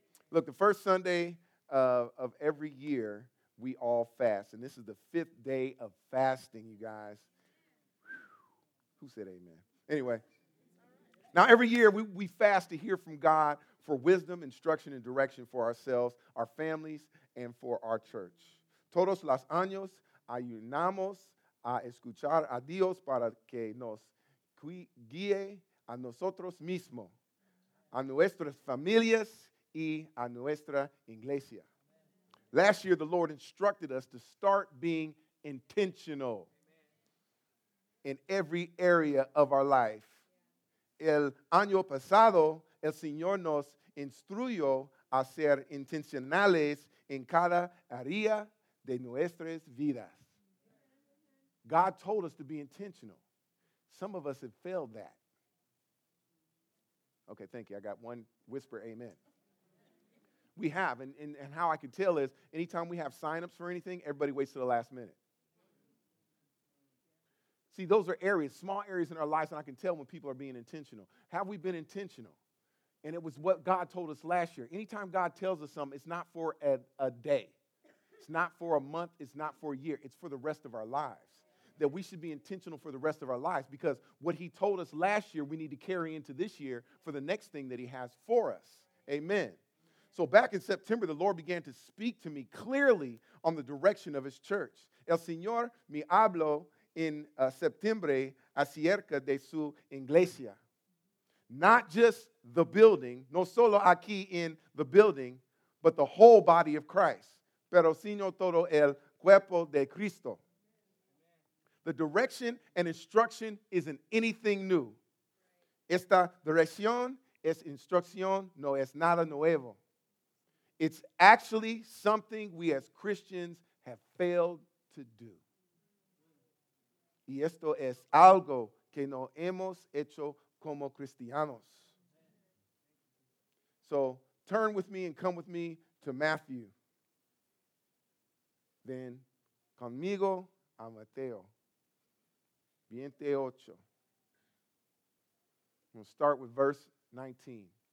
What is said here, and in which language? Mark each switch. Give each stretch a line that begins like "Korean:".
English: Look, the first Sunday of every year, we all fast. And this is the fifth day of fasting, you guys. Who said amen? Anyway. Now, every year, we fast to hear from God for wisdom, instruction, and direction for ourselves, our families, and for our church.
Spanish: Todos los años ayunamos a escuchar a Dios para que nos guíe a nosotros mismos, a nuestras familias, y a nuestra iglesia.
English: Last year, the Lord instructed us to start being intentional in every area of our life.
Spanish: El año pasado, el Señor nos instruyó a ser intencionales en cada área de nuestras vidas.
English: God told us to be intentional. Some of us have failed that. Okay, thank you. I got one whisper, amen. We have, and how I can tell is anytime we have signups for anything, everybody waits to the last minute. See, those are areas, small areas in our lives, and I can tell when people are being intentional. Have we been intentional? And it was what God told us last year. Anytime God tells us something, it's not for a day. It's not for a month. It's not for a year. It's for the rest of our lives. That we should be intentional for the rest of our lives, because what he told us last year, we need to carry into this year for the next thing that he has for us. Amen. So back in September, the Lord began to speak to me clearly on the direction of his church.
Spanish: El Señor me habló en septiembre acerca de su iglesia.
English: Not just the building, no solo aquí en the building, but the whole body of Christ.
Spanish: Pero sino todo el cuerpo de Cristo. The direction and instruction isn't anything new. Esta dirección es instrucción, no es nada nuevo.
English: It's actually something we as Christians have failed to do.
Spanish: Y esto es algo que no hemos hecho como cristianos.
English: So turn with me and come with me to Matthew. Then conmigo a Mateo 28. We'll start with verse 19.